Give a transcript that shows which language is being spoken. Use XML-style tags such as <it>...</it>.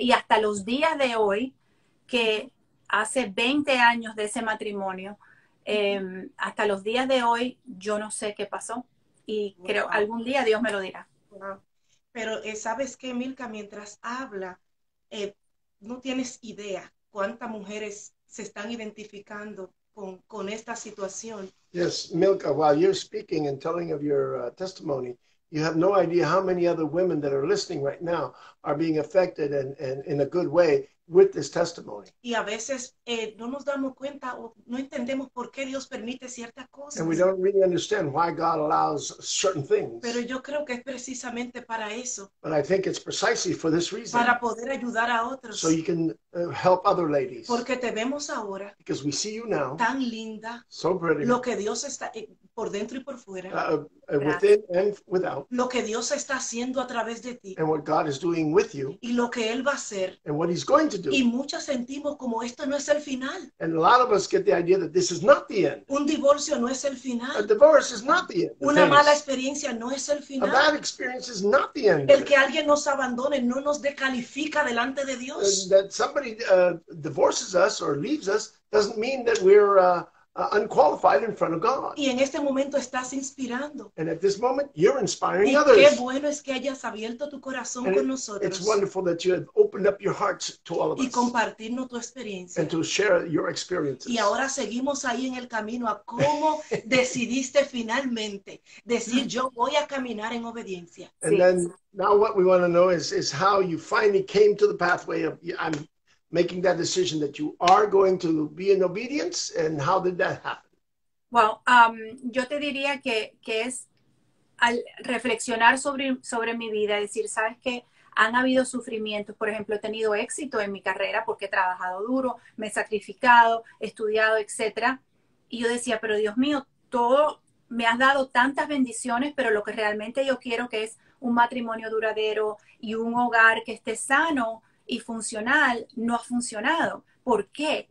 <es>Y hasta los días de hoy, que hace 20 años de ese matrimonio, hasta los días de hoy, yo no sé qué pasó y creo</es> <en>Wow.</en> <es>algún día Dios me lo dirá. Wow. Pero ¿sabes qué, Milka? Mientras habla, no tienes idea cuántas mujeres se están identificando con esta situación.</es> <en>Yes, Milka, while you're speaking and telling of your testimony, You have no idea how many other women that are listening right now are being affected and in a good way with this testimony.</en> <es>Y a veces no nos damos cuenta o no entendemos por qué Dios permite ciertas cosas.</es> <en>And we don't really understand why God allows certain things.</en> <es>Pero yo creo que es precisamente para eso.</es> <en>But I think it's precisely for this reason.</en> <es>Para poder ayudar a otros.</es> <en>So you can help other ladies.</en> <es>Porque te vemos ahora.</es> <en>Because we see you now.</en> <es>Tan linda.</es> <en>So pretty.</en> <es>Lo que Dios está por dentro y por fuera.</es> <en>Within and without.</en> <es>Lo que Dios está haciendo a través de ti.</es> <en>And what God is doing with you.</en> <es>Y lo que Él va a hacer.</es> <en>And what He's going to do.</en> <es>Y muchas sentimos como esto no es el final.</es> <en>And a lot of us get the idea that this is not the end.</en> <es>Un divorcio no es el final.</es> <en>A divorce is not the end.</en> <es>Una mala experiencia no es el final.</es> <en>A bad experience is not the end.</en> <es>El que alguien nos abandone no nos descalifica delante de Dios.</es> <en>That somebody divorces us or leaves us doesn't mean that we're unqualified in front of God.</en> <es>Y en este momento estás inspirando.</es> <en>And at this moment, you're inspiring</en> <es>y qué</es> <en>others.</en> <es>Bueno es que hayas abierto tu corazón</es> <en>and</en> <es>con nosotros.</es> <en>It's wonderful that you have opened up your hearts to all of</en> <es>y</es> <en>us.</en> <es>Compartirnos tu experiencia.</es> <en>And to share your experiences.</en> <es>Y ahora seguimos ahí en el camino a cómo decidiste finalmente decir yo voy a caminar en obediencia.</es> <en>And sí. Then, now what we want to know is how you finally came to the pathway of I'm making that decision that you are going to be in obedience, and how did that happen?</en> <es>Well, yo te diría que es al reflexionar sobre mi vida, decir, sabes que han habido sufrimientos. Por ejemplo, he tenido éxito en mi carrera porque he trabajado duro, me he sacrificado, he estudiado, etcétera. Y yo decía, pero Dios mío, todo me has dado tantas bendiciones, pero lo que realmente yo quiero que es un matrimonio duradero y un hogar que esté sano y funcional, no ha funcionado. ¿Por qué?</es>